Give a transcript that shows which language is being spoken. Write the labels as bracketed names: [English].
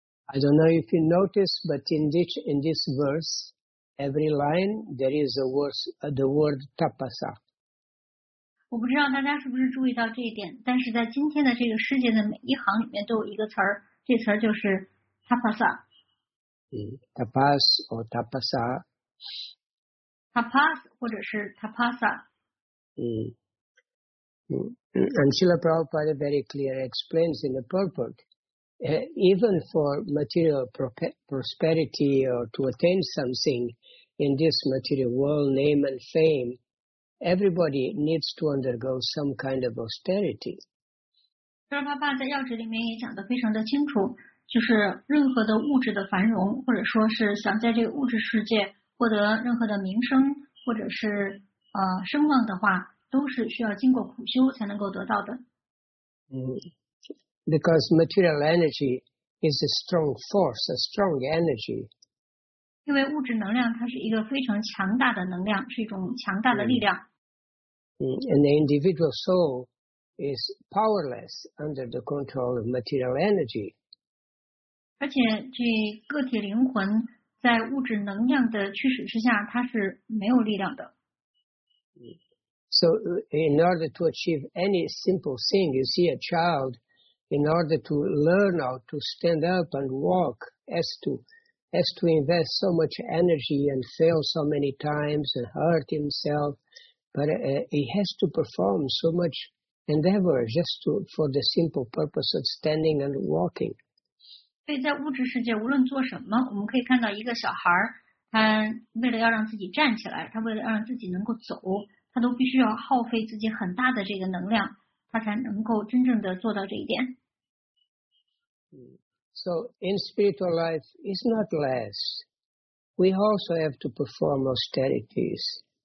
[English] I don't know if you notice, but in this verse, every line, there is the word tapasa. [Chinese] 我不知道大家是不是注意到这一点，但是在今天的这个世界的每一行里面都有一个词儿，这词儿就是 tapasa。 [English] Tapas or tapasa. [Chinese] Tapas 或者是 tapasa. [English] And Srila Prabhupada very clear explains in the purport, even for material prosperity or to attain something in this material world, name and fame, everybody needs to undergo some kind of austerity. [Chinese] Srila Prabhupada 在要旨里面也讲得非常的清楚，就是任何的物质的繁荣，或者说是想在这个物质世界获得任何的名声或者是声望的话，都是需要经过苦修才能够得到的。 [English] Because material energy is a strong force, a strong energy. [Chinese] 因为物质能量它是一个非常强大的能量，是一种强大的力量。 [English] And the individual soul is powerless under the control of material energy. [Chinese] 而且这个体灵魂在物质能量的驱使之下，它是没有力量的。 [English] So in order to achieve any simple thing, you see a child, in order to learn how to stand up and walk, has to invest so much energy and fail so many times and hurt himself, but he has to perform so much endeavor just for the simple purpose of standing and walking. [Chinese] 所以在物质世界，无论做什么，我们可以看到一个小孩儿，他为了要让自己站起来，他为了要让自己能够走，他都必须要耗费自己很大的这个能量，他才能够真正的做到这一点。 [English] So in spiritual life, it's not less. We also have to perform austerities.